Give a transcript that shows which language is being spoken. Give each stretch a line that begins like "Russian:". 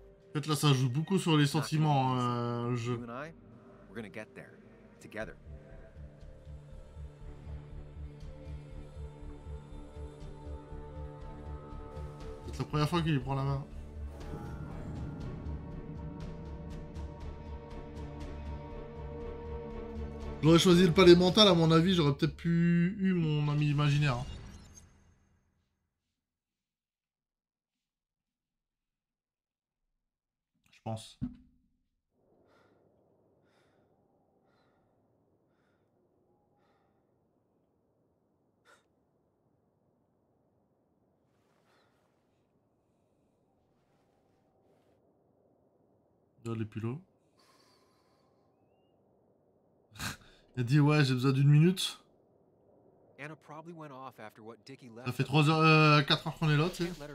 French: En fait, là, ça joue beaucoup sur les sentiments, le jeu.
English: You and I, we're gonna get there, together.
French: C'est la première fois qu'il prend la main. J'aurais choisi le palais mental, à mon avis, j'aurais peut-être pu eu mon ami imaginaire. Pense. Là, les pilotes. Il a dit ouais, j'ai besoin d'une minute.
English: Anna probably went off after what Dickie left.
French: Ça fait 4 heures qu'on est là, tu sais.